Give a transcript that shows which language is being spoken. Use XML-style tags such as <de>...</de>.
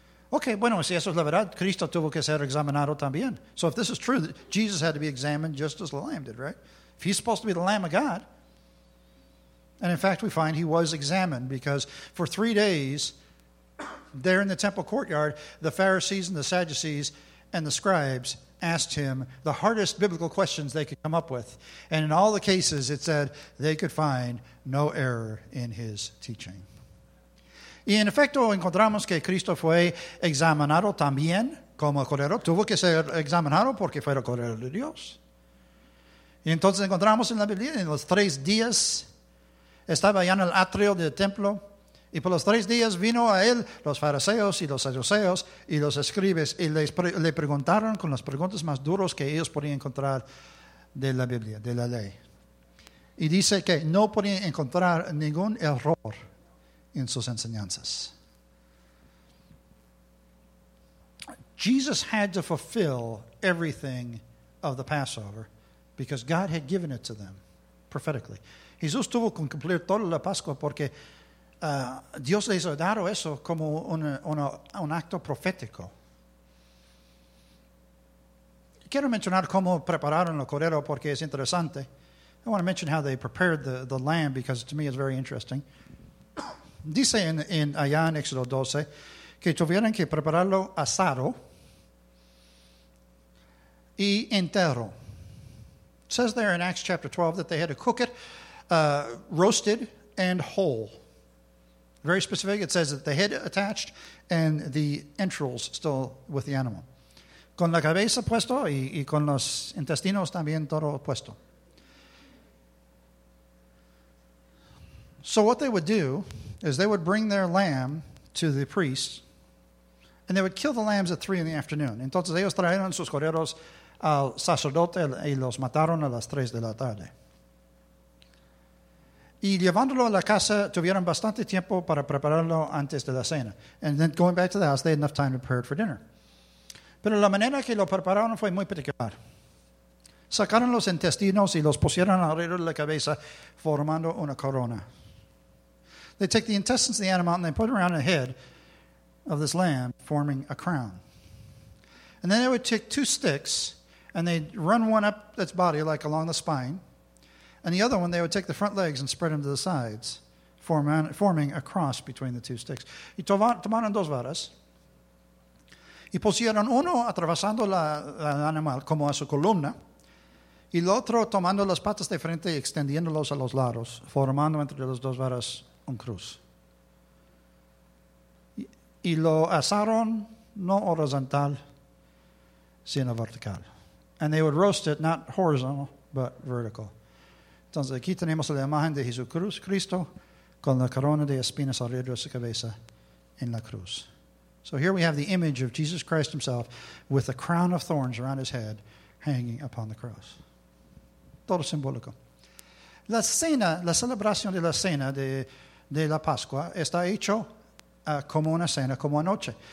<es>Okay, bueno, si eso es la verdad, Cristo tuvo que ser examinado también.</es> <en>So if this is true, Jesus had to be examined just as the lamb did, right? If he's supposed to be the Lamb of God. And in fact, we find he was examined because for 3 days, there in the temple courtyard, the Pharisees and the Sadducees and the scribes asked him the hardest biblical questions they could come up with. And in all the cases, it said they could find no error in his teaching.</en> <es>Y en efecto, encontramos que Cristo fue examinado también como cordero. Tuvo que ser examinado porque fue el cordero de Dios. Y entonces encontramos en la Biblia, en los tres días, estaba allá en el atrio del templo. Y por los tres días vino a él los fariseos y los saduceos y los escribes y le preguntaron con las preguntas más duras que ellos podían encontrar de la Biblia, de la ley. Y dice que no podían encontrar ningún error en sus enseñanzas.</es> <en>Jesus had to fulfill everything of the Passover because God had given it to them prophetically.</en> <es>Jesús tuvo que cumplir toda la Pascua porque Dios les ha dado eso como un acto profético. Quiero mencionar cómo prepararon el cordero porque es interesante.</es> <en>I want to mention how they prepared the lamb because to me it's very interesting.</en> <es>Dice en allá en Éxodo 12 que tuvieron que prepararlo asado y entero.</es> <en>It says there in Acts chapter 12 that they had to cook it roasted and whole. Very specific, it says that the head attached and the entrails still with the animal.</en> <es>Con la cabeza puesto y con los intestinos también todo puesto.</es> <en>So what they would do is they would bring their lamb to the priest and they would kill the lambs at 3 in the afternoon.</en> <es>Entonces ellos trajeron sus corderos al sacerdote y los mataron a las 3 de la tarde. Y llevándolo a la casa, tuvieron bastante tiempo para prepararlo antes de la cena.</es> <en>And then going back to the house, they had enough time to prepare it for dinner.</en> <es>Pero la manera que lo prepararon fue muy particular. Sacaron los intestinos y los pusieron alrededor de la cabeza, formando una corona.</es> <en>They take the intestines of the animal and they put it around the head of this lamb, forming a crown. And then they would take two sticks and they'd run one up its body, like along the spine. And the other one, they would take the front legs and spread them to the sides, forming a cross between the two sticks.</en> <es>Y tomaron dos varas, y pusieron uno atravesando el animal como a su columna, y el otro tomando las patas de frente y extendiéndolos a los lados, formando entre las dos varas un cruz. Y lo asaron no horizontal, sino vertical.</es> <en>And they would roast it, not horizontal, but vertical.</en> <es>Entonces aquí tenemos la imagen de Jesucristo con la corona de espinas alrededor de su cabeza en la cruz.</es> <en>So here we have the image of Jesus Christ himself with a crown of thorns around his head hanging upon the cross.</en> <es>Todo simbólico. La cena, la celebración de la cena de la Pascua está hecho como una cena, como anoche.</es>